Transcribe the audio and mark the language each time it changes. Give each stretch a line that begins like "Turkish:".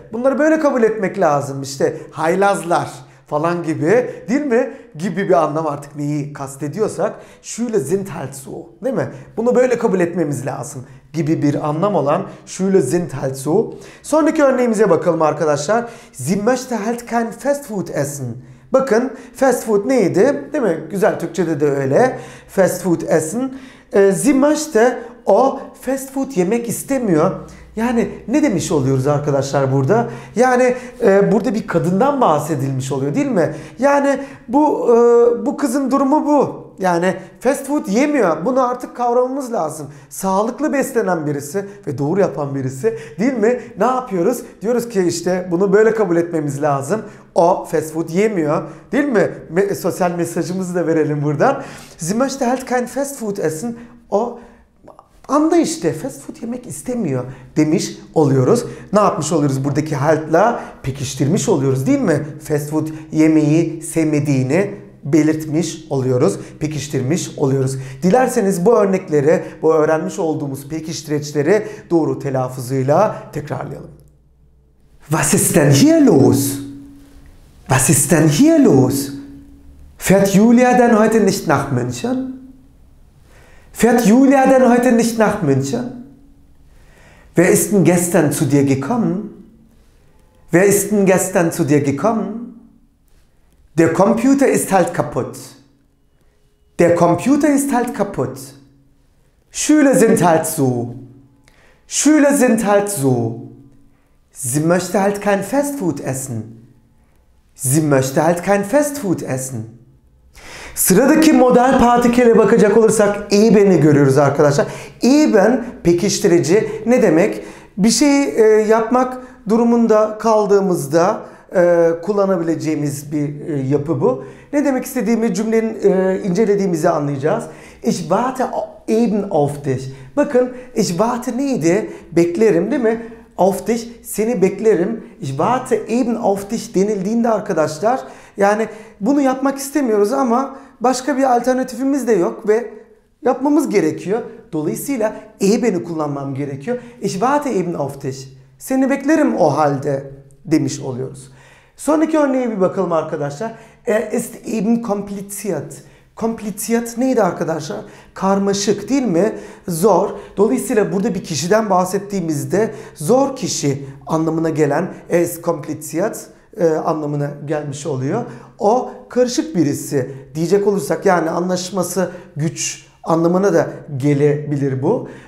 Turkish: Bunları böyle kabul etmek lazım. İşte haylazlar falan gibi, değil mi? Gibi bir anlam artık neyi kastediyorsak.
German: Schüler sind halt so,
Turkish: değil mi? Bunu böyle kabul etmemiz lazım gibi bir anlam olan
German: Schüler sind halt so.
Turkish: Sonraki örneğimize bakalım arkadaşlar.
German: Sie möchte halt kein fast food essen.
Turkish: Bakın fast food neydi, değil mi? Güzel Türkçe'de de öyle.
German: Fast food essen. Sie möchte,
Turkish: o fast food yemek istemiyor. Yani ne demiş oluyoruz arkadaşlar burada? Yani burada bir kadından bahsedilmiş oluyor, değil mi? Yani bu kızın durumu bu. Yani fast food yemiyor. Bunu artık kavramamız lazım. Sağlıklı beslenen birisi ve doğru yapan birisi, değil mi? Ne yapıyoruz? Diyoruz ki işte bunu böyle kabul etmemiz lazım. O fast food yemiyor, değil mi? Sosyal mesajımızı da verelim buradan. Sie möchte halt kein fast food essen. O anda işte fast food yemek istemiyor demiş oluyoruz. Ne yapmış oluyoruz buradaki halt'la? Pekiştirmiş oluyoruz, değil mi? Fast food yemeği sevmediğini belirtmiş oluyoruz, pekiştirmiş oluyoruz. Dilerseniz bu örnekleri, bu öğrenmiş olduğumuz pekiştireçleri doğru telaffuzuyla tekrarlayalım.
German: Was ist denn hier los? Was ist denn hier los? Fährt Julia denn heute nicht nach München? Fährt Julia denn heute nicht nach München? Wer ist denn gestern zu dir gekommen? Wer ist denn gestern zu dir gekommen? Der Computer ist halt kaputt. Der Computer ist halt kaputt. Schüler sind halt so. Schüler sind halt so. Sie möchte halt kein Fastfood essen. Sie möchte halt kein Fastfood essen.
Turkish: Sıradaki modal partikele bakacak olursak eben'i görüyoruz arkadaşlar. Eben pekiştirici ne demek? Bir şey yapmak durumunda kaldığımızda kullanabileceğimiz bir yapı bu. Ne demek istediğimi cümlenin incelediğimizi anlayacağız.
German: Ich warte eben auf dich.
Turkish: Bakın
German: ich warte
Turkish: neydi? Beklerim, değil mi?
German: Auf dich,
Turkish: seni beklerim.
German: Ich warte eben auf dich
Turkish: denildiğinde arkadaşlar, yani bunu yapmak istemiyoruz ama başka bir alternatifimiz de yok ve yapmamız gerekiyor. Dolayısıyla eben'i kullanmam gerekiyor.
German: Ich warte eben auf dich.
Turkish: Seni beklerim o halde demiş oluyoruz. Sonraki örneğe bir bakalım arkadaşlar.
German: Er ist eben kompliziert.
Turkish: Kompliziert neydi arkadaşlar? Karmaşık, değil mi? Zor. Dolayısıyla burada bir kişiden bahsettiğimizde zor kişi anlamına gelen
German: er ist kompliziert
Turkish: anlamına gelmiş oluyor. O karışık birisi diyecek olursak, yani anlaşması güç anlamına da gelebilir bu.